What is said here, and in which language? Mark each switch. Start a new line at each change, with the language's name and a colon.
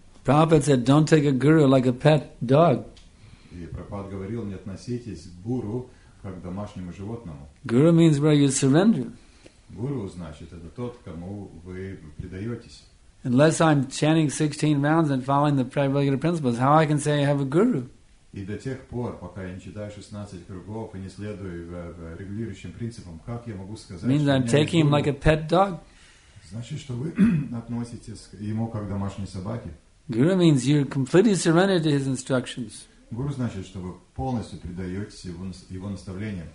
English: Prabhupada said, don't take a guru like a pet dog.
Russian: И Прабхупад говорил, не относитесь к гуру как к домашнему животному.
English: Guru means where you surrender.
Russian: Гуру значит, это тот, кому вы предаетесь.
English: Unless I'm chanting 16 rounds and following the regular principles, how I can say I have a guru?
Russian: И до тех пор, пока я не читаю 16 кругов и не следую регулирующим принципам, как я могу сказать,
English: means
Russian: что
English: I'm taking him like a pet dog.
Russian: Значит, что вы относитесь к ему как к домашней собаке.
English: Guru means you're completely surrendered to his instructions.
Russian: Гуру значит, что вы полностью предаетесь его наставлениям.